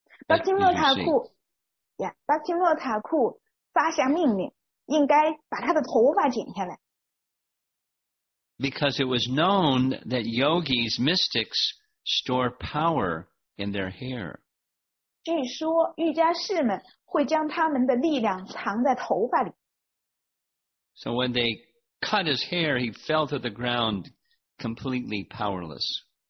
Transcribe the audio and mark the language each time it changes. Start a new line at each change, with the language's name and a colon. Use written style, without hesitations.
Chinese: Bhaktivinoda Thakur. Bhaktivinoda Thakur 发下命令，应该把他的头发剪下来。
English: Because it was known that yogis, mystics, store power in their hair.
Chinese: 据说瑜伽士们会将他们的力量藏在头发里。
English: So when they cut his hair, he fell to the ground completely powerless.